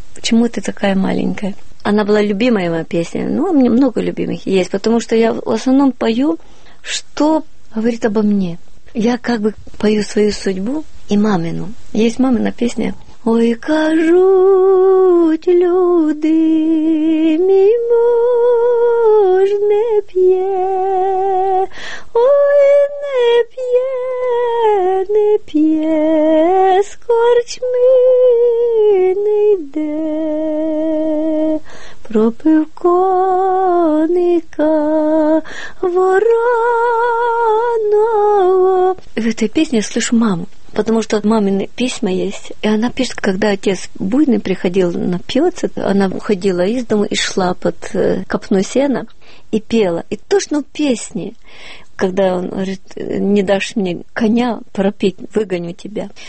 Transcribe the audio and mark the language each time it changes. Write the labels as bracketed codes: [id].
[ru] Почему ты такая маленькая? Она была любимая моя песня. Ну, у меня много любимых есть, потому что я в основном пою, что говорит обо мне. Я как бы пою свою судьбу и мамину. Есть мамина песня. [uk] Ой, кажуть люди, мій муж не п'є, ой, не п'є, не п'є, з корчми не йде, пропив коника вороного. [ru] В этой песне я слышу маму. Потому что мамины письма есть. И она пишет, когда отец буйный приходил напиваться, она уходила из дома и шла под копну сена и пела. И точно в песне, когда он говорит, не дашь мне коня пропить, выгоню тебя.